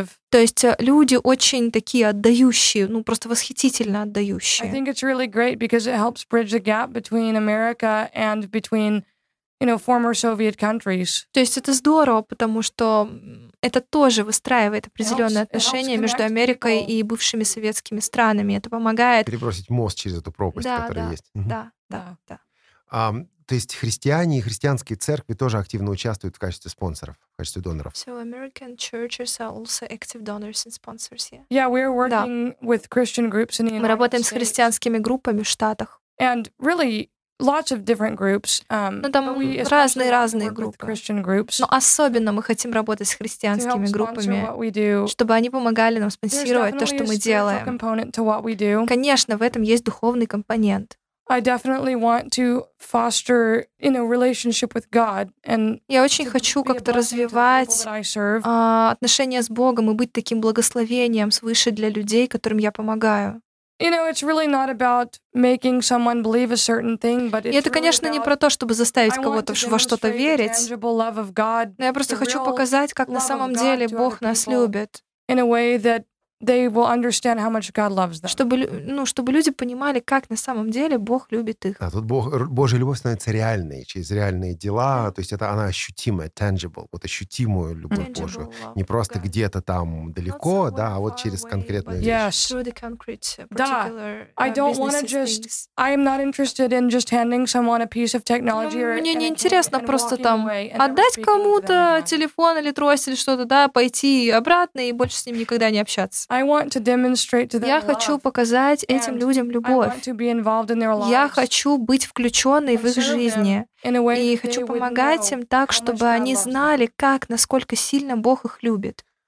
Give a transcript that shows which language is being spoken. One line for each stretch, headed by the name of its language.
Russian: То есть люди очень такие отдающие, ну просто восхитительно отдающие.
English: I think it's really great because it helps bridge the gap between America and between former Soviet countries.
Russian: То есть это здорово, потому что это тоже выстраивает определенные отношения между Америкой и бывшими советскими странами. Это помогает перебросить мост через эту пропасть, да, которая есть. Да. То есть христиане и христианские церкви тоже активно участвуют в качестве спонсоров, в качестве доноров.
English: So American churches are also active donors and sponsors, yeah. Yeah, we're working with Christian groups in the United
Russian: States. Мы работаем с христианскими группами в Штатах.
English: And really, lots of different groups.
Russian: Но там разные группы. Но особенно мы хотим работать с христианскими группами, чтобы они помогали нам спонсировать то, что мы делаем. Конечно, в этом есть духовный компонент. Я очень хочу как-то развивать отношения с Богом и быть таким благословением свыше для людей, которым я помогаю.
English: It's really not about making someone believe a certain thing, but it's.
Russian: И это, конечно, не про то, чтобы заставить кого-то во что-то верить.
English: God,
Russian: но я просто хочу показать, как на самом деле Бог нас любит.
English: In a way that they will understand how much God loves them.
Russian: Чтобы, ну, чтобы люди понимали, как на самом деле Бог любит их. Да, тут Бог, Божья любовь становится реальной через реальные дела, то есть это она ощутимая, tangible, вот ощутимую любовь tangible Божию. Love. Не просто okay. где-то там далеко, so да, а вот через конкретную вещь.
English: Yes. Да, I don't want to just, I'm not interested in just handing someone a piece of technology.
Russian: Но, or, мне не интересно просто там отдать кому-то телефон или трость или что-то, да, пойти обратно и больше с ним никогда не общаться.
English: I want to demonstrate to them
Russian: я хочу показать этим людям любовь. Я хочу быть включенной в их жизни. И хочу помогать им так, чтобы они знали, как, насколько сильно Бог их любит.